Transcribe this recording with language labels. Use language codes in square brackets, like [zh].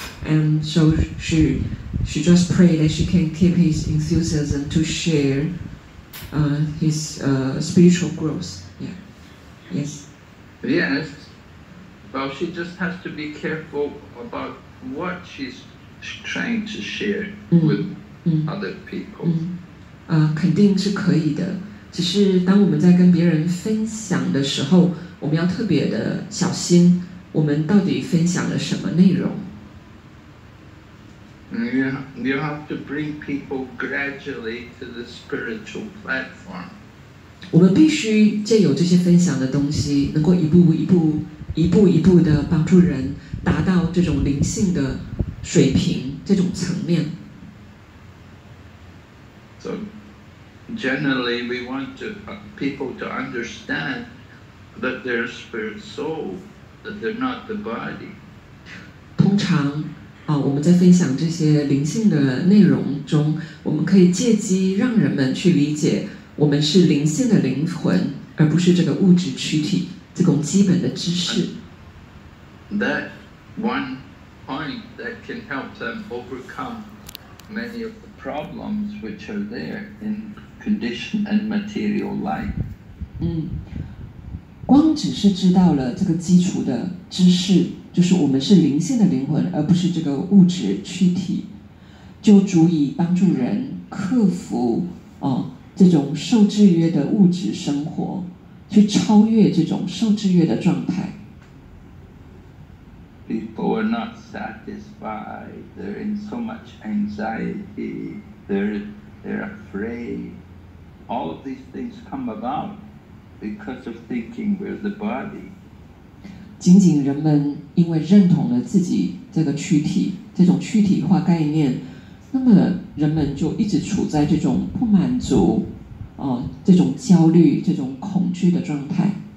[en] And so she just prayed that she can keep his enthusiasm to share his spiritual growth. Yeah. Yes. Yes. Well, she just has to be careful about what she's trying to share with other people. [zh] 肯定是可以的。只是当我们在跟别人分享的时候，我们要特别的小心，我们到底分享了什么内容。 [en] You have to bring people gradually to the spiritual platform. [zh] 我们必须借由这些分享的东西，能够一步一步、一步一步的帮助人达到这种灵性的水平，这种层面。 [en] So, generally, we want to people to understand that they're spirit soul, that they're not the body. [zh] 通常，我们在分享这些灵性的内容中，我们可以借机让人们去理解，我们是灵性的灵魂，而不是这个物质躯体，这种基本的知识。 [en] That one point that can help them overcome many of the problems which are there in condition and material life. [zh] 光只是知道了这个基础的知识，就是我们是灵性的灵魂，而不是这个物质躯体，就足以帮助人克服这种受制约的物质生活，去超越这种受制约的状态。 [en] People are not satisfied. They're in so much anxiety. They're afraid. All of these things come about because of thinking we're the body. [zh] 仅仅人们因为认同了自己这个躯体，这种躯体化概念，那么人们就一直处在这种不满足，这种焦虑，这种恐惧的状态。